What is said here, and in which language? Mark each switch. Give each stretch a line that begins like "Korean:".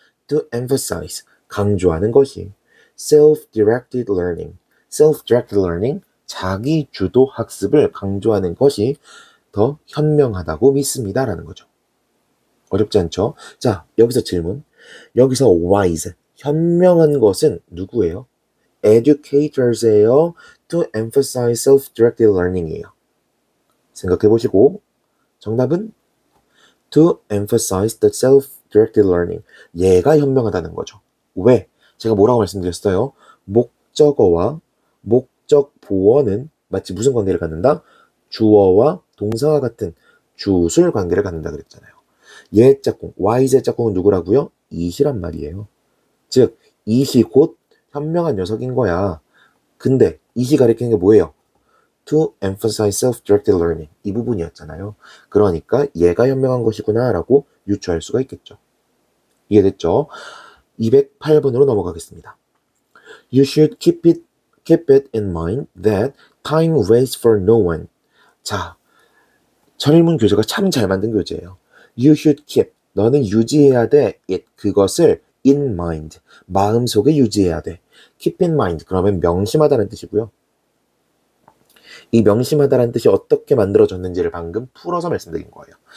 English: To emphasize,
Korean: 강조하는 것이.
English: Self-directed learning, self-directed learning,
Korean: 자기주도 학습을 강조하는 것이 더 현명하다고 믿습니다라는 거죠. 어렵지 않죠? 자, 여기서 질문. 여기서 wise, 현명한 것은 누구예요? Educators예요.
English: To emphasize self-directed learning이에요.
Korean: 생각해보시고, 정답은
English: to emphasize the self-directed learning.
Korean: 얘가 현명하다는 거죠. 왜? 제가 뭐라고 말씀드렸어요? 목적어와 목적 보어는 마치 무슨 관계를 갖는다? 주어와 동사와 같은 주술 관계를 갖는다 그랬잖아요. 얘 짝꿍, wise의 짝꿍은 누구라고요? 이시란 말이에요. 즉, 이시 곧 현명한 녀석인 거야. 근데 이시 가리키는 게 뭐예요?
English: To emphasize self-directed learning.
Korean: 이 부분이었잖아요. 그러니까 얘가 현명한 것이구나라고 유추할 수가 있겠죠. 이해됐죠? 208번으로 넘어가겠습니다.
English: You should keep it in mind that time waits for no one.
Korean: 자, 철문 교재가 참잘 만든 교재예요.
English: You should keep.
Korean: 너는 유지해야 돼.
English: It.
Korean: 그것을
English: in mind.
Korean: 마음속에 유지해야 돼.
English: Keep in mind.
Korean: 그러면 명심하다는 뜻이고요. 이 명심하다라는 뜻이 어떻게 만들어졌는지를 방금 풀어서 말씀드린 거예요.